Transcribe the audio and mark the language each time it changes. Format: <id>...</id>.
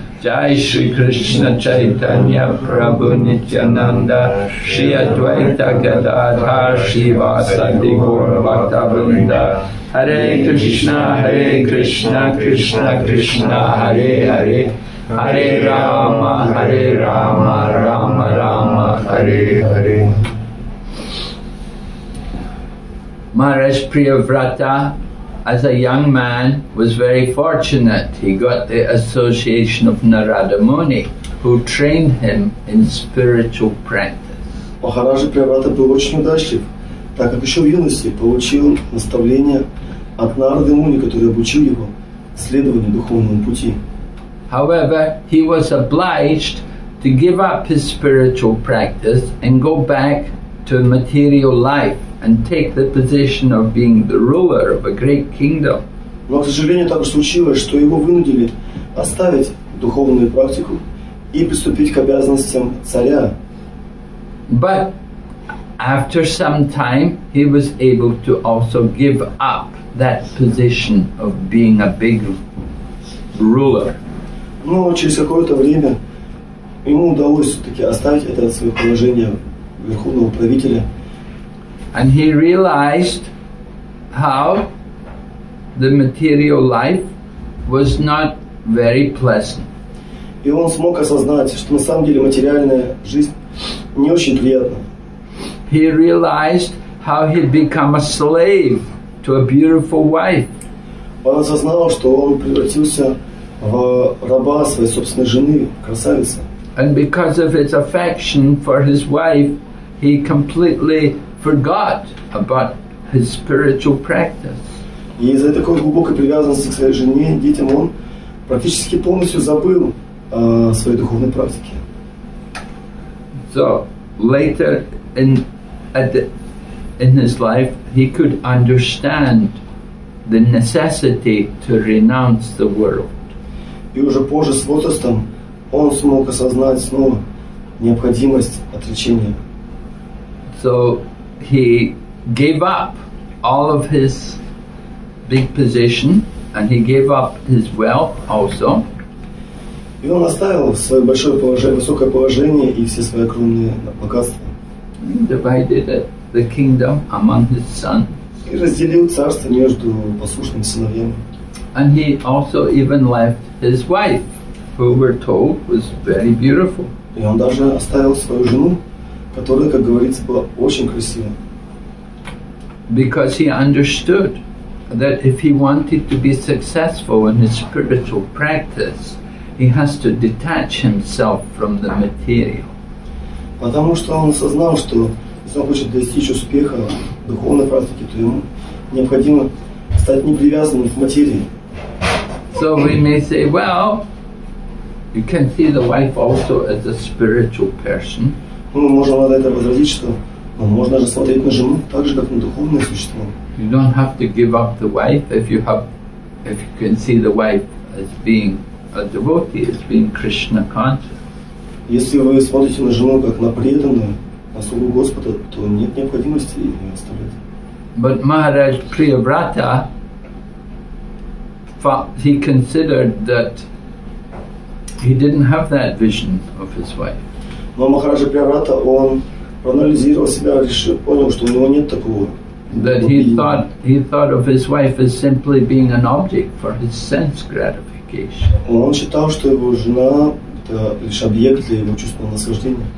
<sa>Jai Shri Krishna Chaitanya Prabhu Nityananda Shri Advaita Gadadhar Shri Vasadi Gaura Bhaktavinda Hare Krishna Hare Krishna Krishna Krishna Hare Hare Hare Rama Hare Rama Rama Rama Hare Hare Maharaj Priyavrata,</sa> <en>as a young man, was very fortunate. He got the association of Narada Muni, who trained him in spiritual practice.</en> <ru>Махараджа Приврата был очень удачлив, так как еще в юности получил наставление от Нарады Муни, который обучил его следованию духовному пути.</ru> <en>However, he was obliged to give up his spiritual practice and go back to material life and take the position of being the ruler of a great kingdom.</en> <ru>Но, к сожалению, так случилось, что его вынудили оставить духовную практику и приступить к обязанностям царя.</ru> <en>But after some time, he was able to also give up that position of being a big ruler.</en> <ru>Но через какое-то время ему удалось все-таки оставить это свое положение верховного правителя.</ru> <en>And he realized how the material life was not very pleasant.</en> <ru>И он смог осознать, что на самом деле материальная жизнь не очень приятна.</ru> <en>He realized how he'd become a slave to a beautiful wife.</en> <ru>Он осознал, что он превратился в раба своей собственной жены, красавицы.</ru> <en>And because of his affection for his wife, he completely forgot about his spiritual practice.</en> <ru>И из-за такой глубокой привязанности к своей жене, детям, он практически полностью забыл о своей духовной практике.</ru> <en>So later in his life, he could understand the necessity to renounce the world.</en> <ru>И уже позже с возрастом он смог осознать снова необходимость отречения.</ru> <en>So he gave up all of his big position and he gave up his wealth also.</en> <ru>И он оставил свое большое положение, высокое положение и все свои огромные богатства.</ru> <en>He divided the kingdom among his sons.</en> <ru>И разделил царство между послушными сыновьями.</ru> <en>And he also even left his wife, who we're told was very beautiful.</en> <ru>И он даже оставил свою жену, которая, как говорится, была очень красивой.</ru> <en>Because he understood that if he wanted to be successful in his spiritual practice, he has to detach himself from the material.</en> <ru>Потому что он осознал, что если он хочет достичь успеха в духовной практике, то ему необходимо стать непривязанным к материи.</ru> <en>So we may say, well, you can see the wife also as a spiritual person.</en> <ru>Ну, можно на это возразить, что можно же смотреть на жену так же, как на духовное существо.</ru> <en>You don't have to give up the wife if you can see the wife as being a devotee, as being Krishna conscious.</en> <ru>Если вы смотрите на жену как на преданную, на слугу Господа, то нет необходимости ее оставлять.</ru> <en>But Maharaj Priyavrata, he considered that he didn't have that vision of his wife.</en> <ru>Но Махараджа Приврата, он проанализировал себя и решил, понял, что у него нет такого.</ru> <en>That he thought of his wife as simply being an object for his sense gratification.</en> <ru>Он считал, что его жена это лишь объект для его чувства наслаждения.</ru>